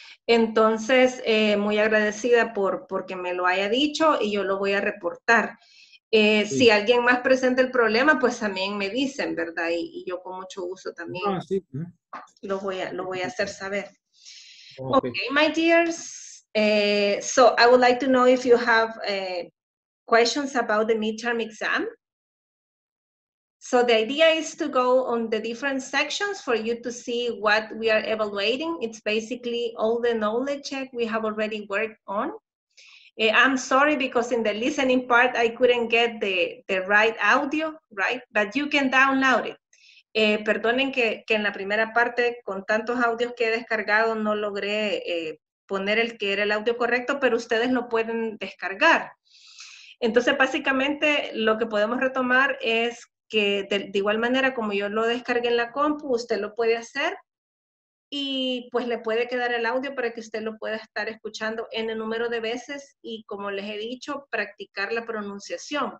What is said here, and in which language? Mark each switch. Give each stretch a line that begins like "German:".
Spanish: Entonces, muy agradecida porque me lo haya dicho y yo lo voy a reportar. Sí. Si alguien más presenta el problema, pues también me dicen, ¿verdad? Y yo con mucho gusto también lo voy a hacer saber.
English: Okay, my dears. So I would like to know if you have questions about the midterm exam. So the idea is to go on the different sections for you to see what we are evaluating. It's basically all the knowledge check we have already worked on I'm sorry because in the listening part I couldn't get the right audio, right? But you can download it.
Spanish: Perdonen que en la primera parte con tantos audios que he descargado no logré poner el que era el audio correcto, pero ustedes lo pueden descargar. Entonces, básicamente, lo que podemos retomar es que de igual manera como yo lo descargué en la compu, usted lo puede hacer y pues le puede quedar el audio para que usted lo pueda estar escuchando en el número de veces y, como les he dicho, practicar la pronunciación.